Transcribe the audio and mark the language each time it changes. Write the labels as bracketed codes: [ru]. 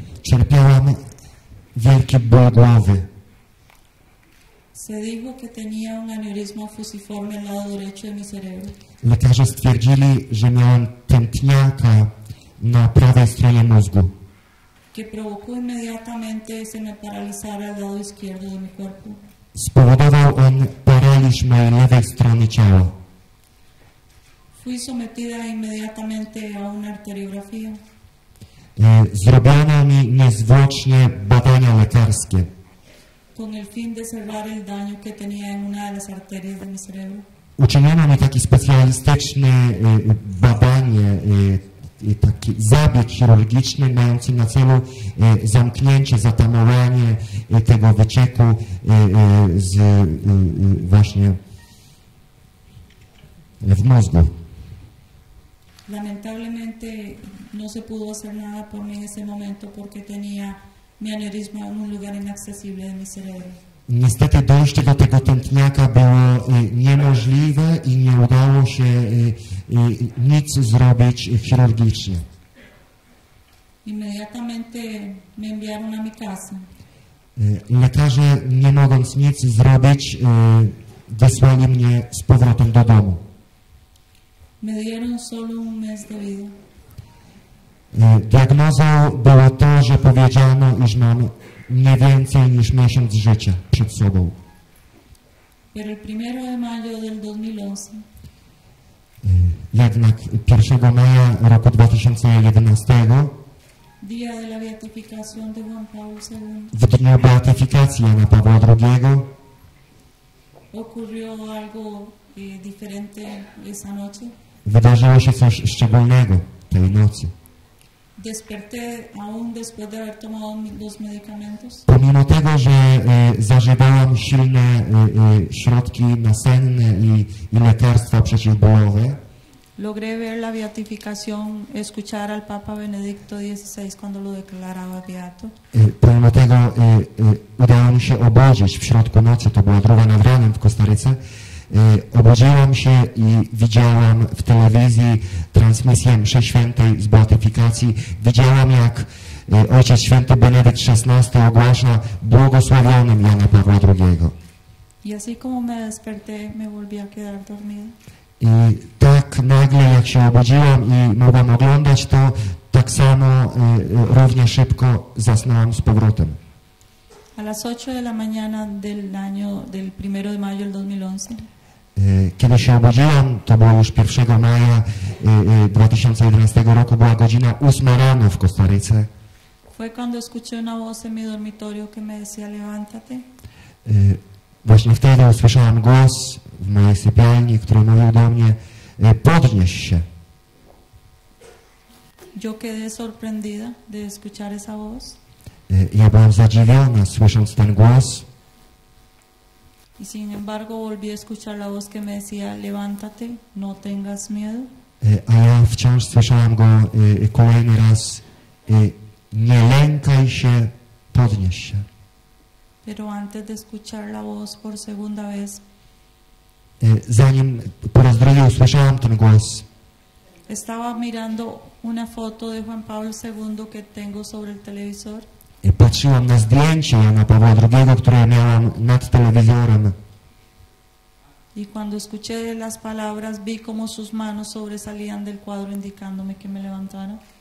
[pl] Cierpiałam wielki ból głowy. [es] Se dijo que tenía un aneurisma fusiforme al lado derecho de mi cerebro. [pl] Lekarze stwierdzili, że miałam tętniaka na prawej stronie mózgu. [es] Que provocó inmediatamente y se me paralizara al lado izquierdo de mi cuerpo. [pl] Spowodował on paraliż mojej lewej strony ciała. [es] Fui sometida inmediatamente a una arteriografía. [pl] Zrobiono mi niezwłocznie badania lekarskie. [es] Con el fin de cerrar el daño que tenía en una de las arterias de mi cerebro. [pl] Uczyniono mi takie specjalistyczne badanie, taki zabieg chirurgiczny mający na celu zamknięcie, zatamowanie tego wycieku z właśnie w mózgu. [es] Lamentablemente no se pudo hacer nada por mí en ese momento porque tenía mi aneurisma en un lugar inaccesible de mi cerebro. [pl] Niestety dojście do tego tętniaka było niemożliwe i nie udało się nic zrobić chirurgicznie. [es] Inmediatamente me enviaron a mi casa. [pl] Lekarze, nie mogąc nic zrobić, wysłali mnie z powrotem do domu. [es] Me dieron solo un mes de vida. [pl] Diagnozą było to, że powiedziano, iż mam nie więcej niż miesiąc życia przed sobą. [es] Pero el primero de mayo del 2011. [pl] Jednak 1 maja roku 2011, [es] día de la beatificación de Juan Pablo II, [pl] w dniu beatyfikacji Jana Pawła II, [es] ocurrió algo diferente esa noche. [pl] Wydarzyło się coś szczególnego tej nocy. [es] Desperté aún después de haber tomado los medicamentos. [pl] Pomimo tego, że zażywałam silne środki nasenne i lekarstwa przeciwbólowe, [es] logré ver la beatificación, escuchar al Papa Benedicto XVI cuando lo declaraba beato. [pl] Pomimo tego udało mi się obudzić w środku nocy, to była druga nad ranem w Kostaryce. Obudziłam się i widziałam w telewizji transmisję mszy świętej z beatyfikacji. Widziałam, jak Ojciec Święty Benedykt XVI ogłasza błogosławionym Jana Pawła II. [es] Y así como me desperté, me volví a quedar dormida. [pl] I tak nagle, jak się obudziłam i mogłam oglądać to, tak samo równie szybko zasnąłam z powrotem. [es] A las 8 de la mañana del año del 1 de mayo del 2011. [pl] Kiedy się obudziłam, to było już 1 maja 2011 roku, była godzina 8 rano w Kostaryce. [es] Fue cuando escuché una voz en mi dormitorio que me decía, levántate. [pl] Właśnie wtedy usłyszałam głos w mojej sypialni, który mówił do mnie, podnieś się. [es] Yo quedé sorprendida de escuchar esa voz. [pl] Ja byłam zadziwiona, słysząc ten głos. [es] Y sin embargo volví a escuchar la voz que me decía, levántate, no tengas miedo. [pl] A ja wciąż słyszałam go kolejny raz, nie lękaj się, podnieś się. [es] Pero antes de escuchar la voz por segunda vez, [pl] zanim po raz drugi usłyszałam ten głos, [es] estaba mirando una foto de Juan Pablo II que tengo sobre el televisor. [pl] Patrzyłam na zdjęcie Jana Pawła II, które miałam nad telewizorem. [es] I cuando escuché las palabras, vi como sus manos sobresalían del cuadro indicándome que me levantara.